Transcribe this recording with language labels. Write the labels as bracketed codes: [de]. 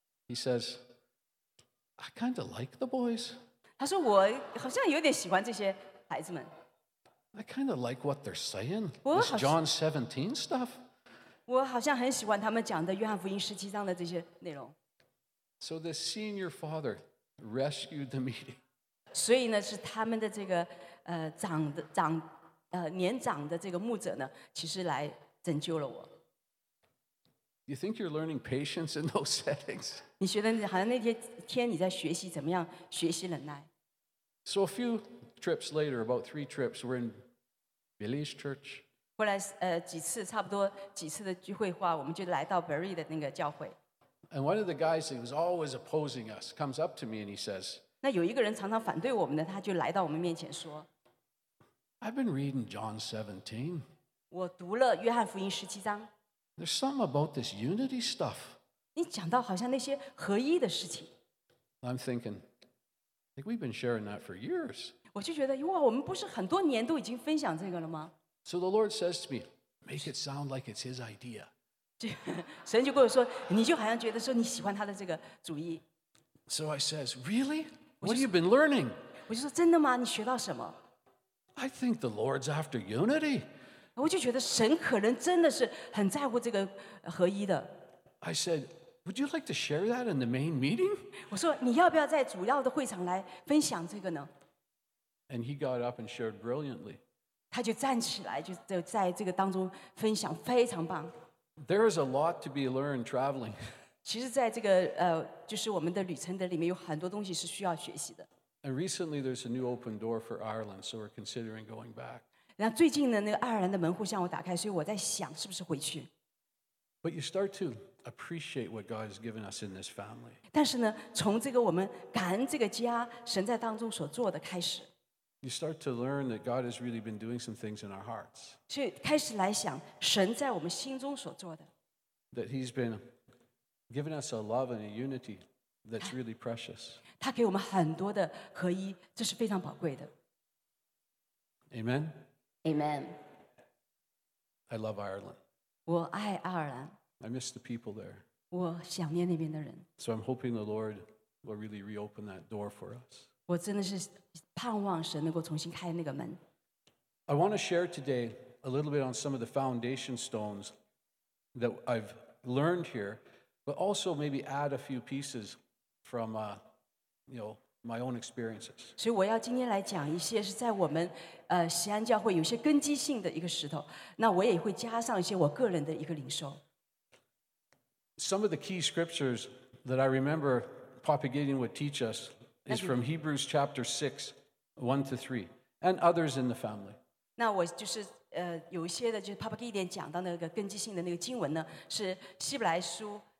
[en] He says, "I kind of like the boys." [zh] 他说我好像有点喜欢这些孩子们。 [en] I kind of like what they're saying. This John 17 stuff. [zh] 我好像很喜欢他们讲的约翰福音十七章的这些内容。 [en] So the senior father rescued the meeting. [zh] 所以呢，是他们的这个长。年长的这个牧者呢，其实来拯救了我。 [en] You think you're learning patience in those settings? [zh] 你觉得好像那些天你在学习怎么样学习忍耐 [en] ？So a few trips later, about three trips, we're in Billy's church. [zh] 后来几次差不多几次的聚会话，我们就来到 Barry 的那个教会。 [en] And one of the guys who was always opposing us comes up to me and he says. [zh] 那有一个人常常反对我们的，他就来到我们面前说。 [en] I've been reading John 17. [zh] 我读了约翰福音十七章。 [en] There's something about this unity stuff. [zh] 你讲到好像那些合一的事情。 [en] I'm thinking, like we've been sharing that for years. [zh] 我就觉得，哇，我们不是很多年都已经分享这个了吗 [en] ？So the Lord says to me, "Make it sound like it's His idea." [zh] 神就跟我说，你就好像觉得说你喜欢他的这个主意。 [en] So I says, "Really? What have you been learning?" [zh] 我就说，真的吗？你学到什么？ [en] I think the Lord's after unity. [zh] 我就觉得神可能真的是很在乎这个合一的。 [en] I said, "Would you like to share that in the main meeting?" [zh] 我说你要不要在主要的会场来分享这个呢 [en] ？And he got up and shared brilliantly. [zh] 他就站起来，就在这个当中分享，非常棒。 [en] There is a lot to be learned traveling. [zh] 其实，在这个就是我们的旅程的里面，有很多东西是需要学习的。 [en] And recently, there's a new open door for Ireland, so we're considering going back. [zh] 那最近的那个爱尔兰的门户向我打开，所以我在想是不是回去。 [en] But you start to appreciate what God has given us in this family. [zh] 但是呢，从这个我们感恩这个家神在当中所做的开始。 [en] You start to learn that God has really been doing some things in our hearts. [zh] 去开始来想神在我们心中所做的。 [en] That He's been giving us a love and a unity. That's really precious. [zh] 他给我们很多的合一，这是非常宝贵的。 [en] Amen. Amen. I love Ireland. [zh] 我爱爱尔兰。 [en] I miss the people there. [zh] 我想念那边的人。 [en] So I'm hoping the Lord will really reopen that door for us. [zh] 我真的是盼望神能够重新开那个门。 [en] I want to share today a little bit on some of the foundation stones that I've learned here, but also maybe add a few pieces from, my own experiences. [zh] 所以我要今天来讲一些是在我们西安教会有些根基性的一个石头，那我也会加上一些我个人的一个领受。 [en] Some of the key scriptures that I remember Papa Gideon would teach us is from Hebrews chapter 6, 1 to 3, and others in the family. [zh] 那我就是有一些的就是 Papa Gideon 讲到那个根基性的那个经文呢，是希伯来书。